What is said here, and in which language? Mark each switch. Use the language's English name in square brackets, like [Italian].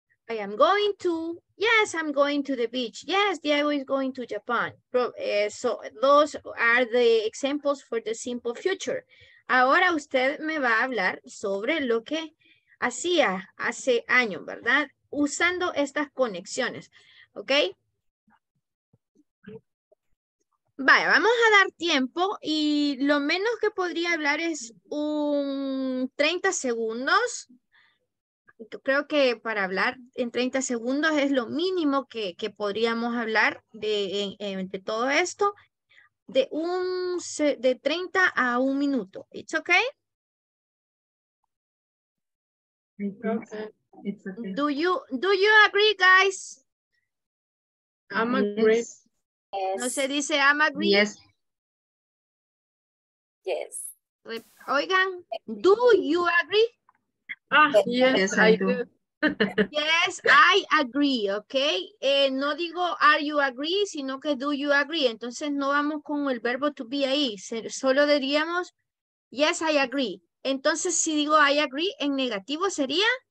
[English] I am going to, yes, I'm going to the beach. Yes, Diego is going to Japan. So those are the examples for the simple future. [Spanish] Ahora usted me va a hablar sobre lo que hacía hace años, ¿verdad? Usando estas conexiones, ¿ok? Vaya, vamos a dar tiempo y lo menos que podría hablar es un 30 segundos. Creo que para hablar en 30 segundos es lo mínimo que podríamos hablar de todo esto. De 30 a un minuto. ¿It's okay? [English] Okay. Do you agree, guys? I'm agree. [Spanish] Yes. ¿No se dice I'm agree? [English] Yes. Yes. Oigan, do you agree? Yes, I do. Yes, I agree, ok. [Spanish] No digo are you agree, sino que do you agree. Entonces no vamos con el verbo to be ahí. Solo diríamos yes, I agree. Entonces si digo I agree, en negativo sería...